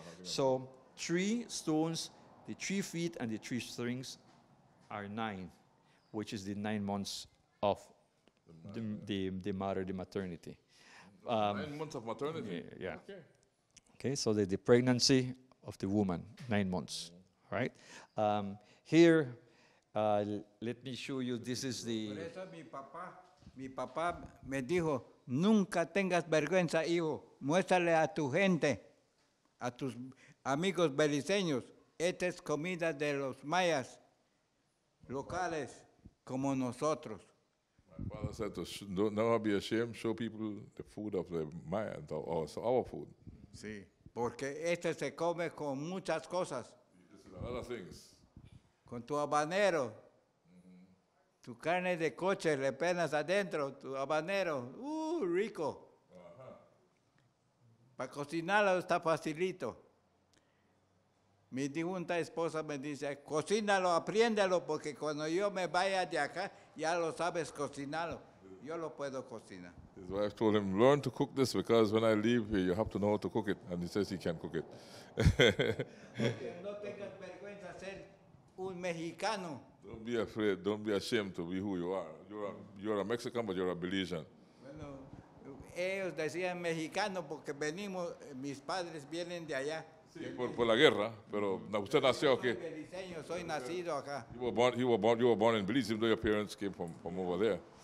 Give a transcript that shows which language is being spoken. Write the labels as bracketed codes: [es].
[en] So three stones, the 3 feet and the three strings, are 9, which is the 9 months of the maternity. 9 months of maternity? Yeah. Okay, so the pregnancy of the woman, 9 months, right? Let me show you, this is the... [es] Por eso mi papá me dijo, nunca tengas vergüenza, hijo, muéstrale a tu gente, a tus amigos beliceños, esta es comida de los mayas, locales, como nosotros. [en] My father said to never be ashamed, show people the food of the Mayans, also our food. [es] Sí, porque este se come con muchas cosas. [en] This is a lot of things. [es] Con tu habanero, tu carne de coche, le penas adentro, tu habanero, rico. Para cocinarlo está facilito. Mi difunta esposa me dice, cocínalo, apriéndalo, porque cuando yo me vaya de acá, ya lo sabes cocinarlo. Yo lo puedo cocinar. [en] His wife told him, learn to cook this, because when I leave, you have to know how to cook it. And he says he can cook it. [es] Okay, no tengas vergüenza ser un mexicano. [en] Don't be afraid. Don't be ashamed to be who you are. You're a Mexican, but you're a Belizean. [es] Bueno, ellos decían mexicano porque venimos, mis padres vienen de allá. Sí, por la guerra, pero usted nació aquí. Belizeño, soy nacido acá. [en] You were born in Belize, even though your parents came from over there.